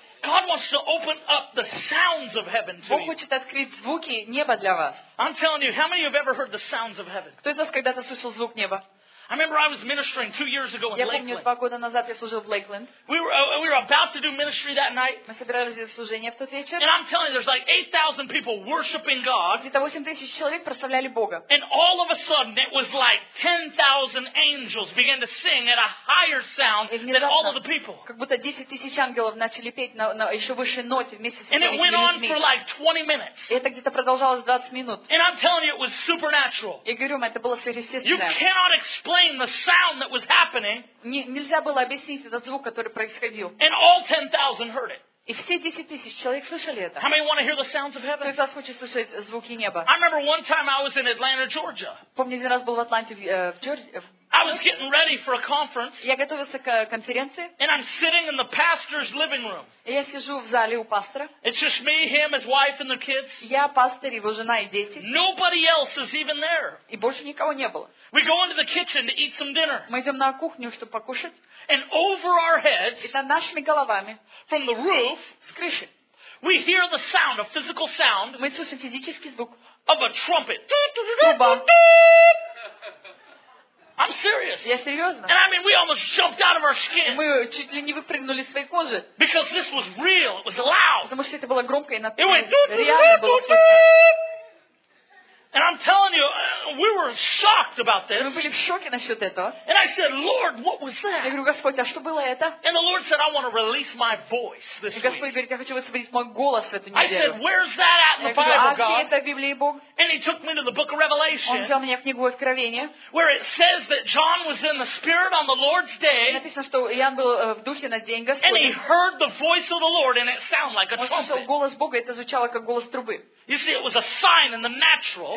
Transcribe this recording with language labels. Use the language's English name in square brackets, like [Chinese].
[English] God wants to open up the sounds of heaven to you. [Russian] Бог хочет открыть звуки неба для вас. [English] I'm telling you, how many of you have ever heard the sounds of heaven? [Russian] Кто из вас когда-то слышал звук неба? [English] I remember I was ministering 2 years ago in Lakeland. [Russian] Я помню, 2 года назад я служил в Лейкленд. [English] We were about to do ministry that night. [Russian] Мы собирались для служения в тот вечер. [English] And I'm telling you, there's like 8,000 people worshiping God. [Russian] Где-то 8,000 человек прославляли Бога. [English] And all of a sudden, it was like 10,000 angels began to sing at a higher sound than all of the people. [Russian] Как будто 10,000 ангелов начали петь на еще высшей ноте вместе с этими людьми. [English] And it went on for like 20 minutes. [Russian] Это где-то продолжалось 20 минут. [English] And I'm telling you, it was supernatural. [Russian] Я говорю вам, это было сверхъестественное. [English] You cannot explain the sound that was happening. [Russian] Нельзя было объяснить этот звук, который происходил. [English] And all 10,000 heard it. [Russian] И все 10,000 человек слышали это. [English] How many want to hear the sounds of heaven? [Russian] Кто из вас хочет слышать звуки неба? [English] I remember one time I was in Atlanta, Georgia. [Russian] Помню, один раз был в Атланте, в Джорджии. [English] I was getting ready for a conference. [Russian] Я готовился к конференции. [English] And I'm sitting in the pastor's living room. [Russian] Я сижу в зале у пастора. [English] It's just me, him, his wife, and their kids. [Russian] Я пастор, его жена и дети. [English] Nobody else is even there. [Russian] И больше никого не было. [English] We go into the kitchen to eat some dinner. [Russian] Мы идем на кухню, чтобы покушать. [English] And over our heads. [Russian] И над нашими головами. [English] From the roof. [Russian] С крыши. [English] We hear the sound, a physical sound. [Russian] Мы слышим физический звук. [English] Of a trumpet. [Russian] Труба. [English] I'm serious. [Russian] Я серьезно. [English] And I mean, we almost jumped out of our skin. [Russian] Мы чуть ли не выпрыгнули из своей кожи. [English] Because this was real. It was loud. [Russian] Потому что это было громко и реально. [English] And I'm telling you, we were shocked about this. [Russian] Мы были в шоке насчет этого. [English] And I said, Lord, what was that? [Russian] Я говорю, Господь, а что было это? [English] And the Lord said, I want to release my voice this week. [Russian] И Господь говорит, я хочу высвободить мой голос эту неделю. [English] I said, where's that at in the Bible, God? [Russian] Я говорю, а где это в Библии, Бог? [English] And he took me to the book of Revelation. [Russian] Он взял меня в книгу Откровения. [English] Where it says that John was in the Spirit on the Lord's day. [Russian] Написано, что Иоанн был в духе на день Господень. [English] And he heard the voice of the Лord, and it sounded like a trumpet. [Russian] Он услышал голос Бога, это звучало как голос трубы. [English] You see, it was a sign in the natural.